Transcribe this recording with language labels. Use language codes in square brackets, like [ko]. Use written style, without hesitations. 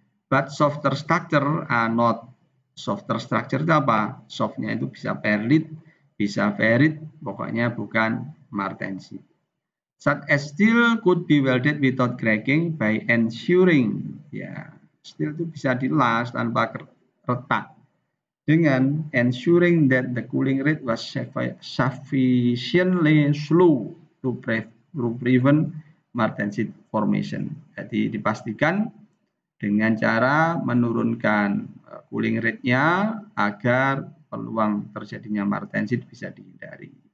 [en] But softer structure are not. Softer structure [id] itu apa? Softnya itu bisa perlite, bisa ferrite, pokoknya bukan martensit. [en] Such as steel could be welded without cracking by ensuring, [id] ya, steel itu bisa dilas tanpa retak dengan [en] ensuring that the cooling rate was sufficiently slow to prevent martensit formation. [id] Jadi dipastikan dengan cara menurunkan cooling rate-nya agar peluang terjadinya martensit bisa dihindari.